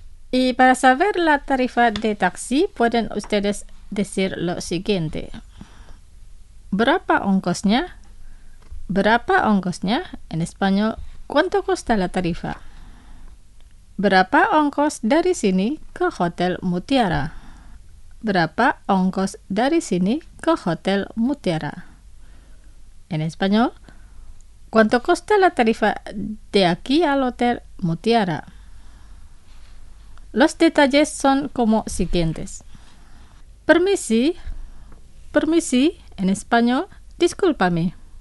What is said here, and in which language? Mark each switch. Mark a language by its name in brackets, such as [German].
[Spanish] Y para saber la tarifa de taxi, pueden ustedes decir lo siguiente. [Indonesian] ¿Berapa ongkosnya? ¿Berapa ongkosnya? [Spanish] En español, ¿cuánto cuesta la tarifa? [Indonesian] ¿Berapa ongkos dari sini ke Hotel Mutiara? ¿Berapa ongkos dari sini ke Hotel Mutiara? [Spanish] En español, ¿cuánto cuesta la tarifa de aquí al Hotel Mutiara? Los detalles son como siguientes. [Indonesian] Permisi, permisi, [Spanish] en español, discúlpame.